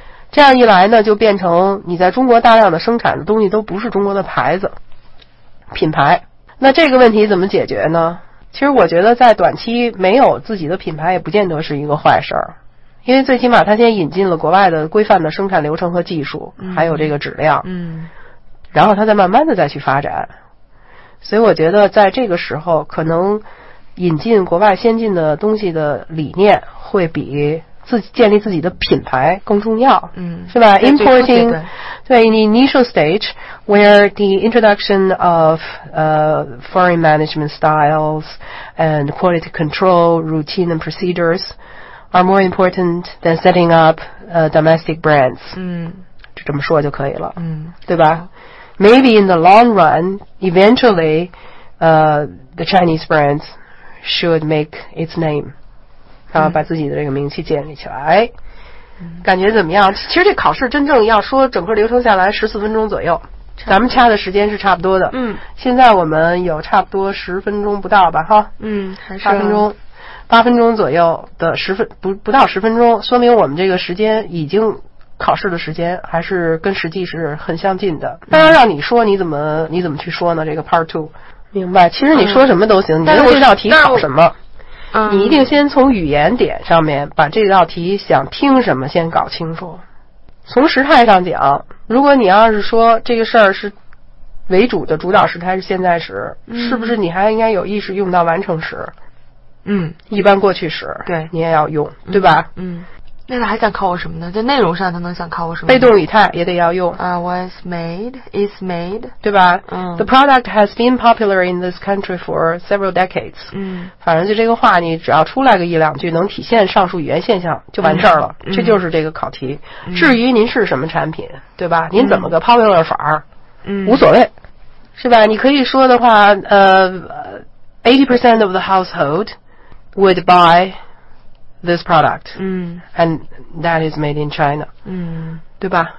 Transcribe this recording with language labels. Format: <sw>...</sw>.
<zh>这样一来呢就变成你在中国大量的生产的东西都不是中国的牌子品牌那这个问题怎么解决呢其实我觉得在短期没有自己的品牌也不见得是一个坏事儿，因为最起码他先引进了国外的规范的生产流程和技术还有这个质量嗯，然后他再慢慢的再去发展所以我觉得在这个时候可能引进国外先进的东西的理念会比自己建立自己的品牌更重要嗯，是吧</zh> <en>importing</en> <zh>对</zh> <en>in the initial stage where the introduction of、foreign management styles and quality control routine and procedures are more important than setting up、domestic brands</en> <zh>嗯，就这么说就可以了嗯，对吧</zh> <en>maybe in the long run eventually、the Chinese brands should make its name</en> <zh>嗯、把自己的这个名气建立起来感觉怎么样其实这考试真正要说整个流程下来14分钟左右咱们掐的时间是差不多的嗯，现在我们有差不多10分钟不到吧哈嗯，还是 8分钟左右的10分不到10分钟说明我们这个时间已经考试的时间还是跟实际是很相近的。当然让你说你怎么去说呢？这个</zh> <en>part two，</en> <zh>明白？其实你说什么都行，你这道题考什么，你一定先从语言点上面把这道题想听什么先搞清楚。从时态上讲，如果你要是说这个事儿是为主的主导时态是现在时，是不是你还应该有意识用到完成时？嗯，一般过去时，对，你也要用，对吧？那他还想考我什么呢？在内容上他能想考我什么？被动语态也得要用</zh> <en>啊。Was made, is made，</en> <zh>对吧？嗯。</zh> <en>The product has been popular in this country for several decades。</en> <zh>嗯，反正就这个话，你只要出来个一两句能体现上述语言现象，就完事儿了。这就是这个考题。至于您是什么产品，对吧？您怎么个 popular 法儿？无所谓，是吧？你可以说的话，</zh> <en>80% of the household would buy this product， and that is made in China，</en> <zh>对吧？</zh>